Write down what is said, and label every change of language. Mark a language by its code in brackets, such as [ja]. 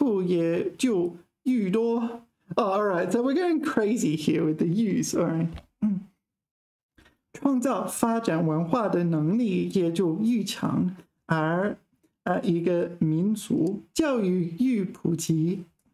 [zh] 一般来说，一个人受的教育愈多愈好，占有的人内精神文化的财富也就愈多。 [en] Oh, all right, so we're going crazy here with the use, all right. [zh] 创造发展文化的能力也就愈强，而一个民族教育愈普及。